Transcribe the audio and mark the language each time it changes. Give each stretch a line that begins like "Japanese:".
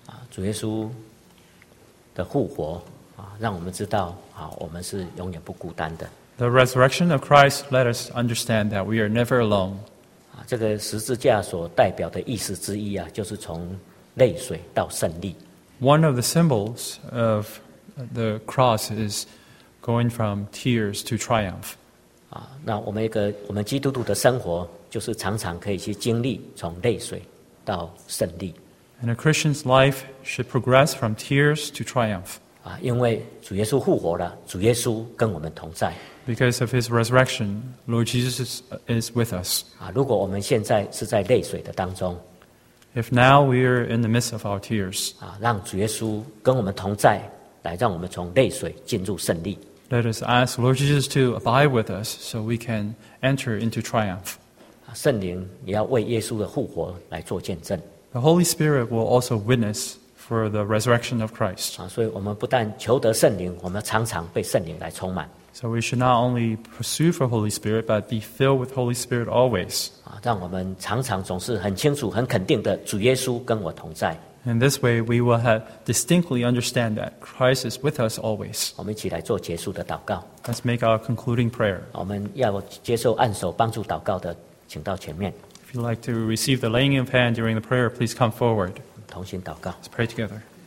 Chinese: 主耶稣的复活让我们知道我们是永远不孤单的。
English: The resurrection of Christ let us understand that we are never alone.
Chinese: 这个十字架所代表的意思之一就是从泪水到胜利。
English: One of the symbols of the cross is going from tears to triumph.
Chinese: 那我们基督徒的生活就是常常可以去经历从泪水到胜利。
English: And a Christian's life should progress from tears to triumph.
Chinese: 因为主耶稣复活了，主耶稣跟我们同在。
English: Because of his resurrection, Lord Jesus is with us.
Chinese: 如果我们现在是在泪水的当中，
English: If now we are in the midst of our tears,
Chinese: 让主耶稣跟我们同在，来让我们从泪水进入胜利。
English: Let us ask Lord Jesus to abide with us so we can enter into triumph.
Chinese: 圣灵也要为耶稣的复活来做见证。
English: The Holy Spirit will also witness for the resurrection of Christ.
Chinese: 所以我们不但求得圣灵，我们常常被圣灵来充满。
English: So we should not only pursue for Holy Spirit, but be filled with Holy Spirit always.
Chinese: 让我们常常总是很清楚、很肯定的，主耶稣跟我同在。
English: In this way, we will have distinctly understand that Christ is with us always.
Chinese: 我们一起来做结束的祷告。
English: Let's make our concluding prayer.
Chinese: 我们要接受按手帮助祷告的，请到前面。
English: If you'd like to receive the laying of hand during the prayer, please come forward.
Chinese: 同心祷告。
English: Let's pray together.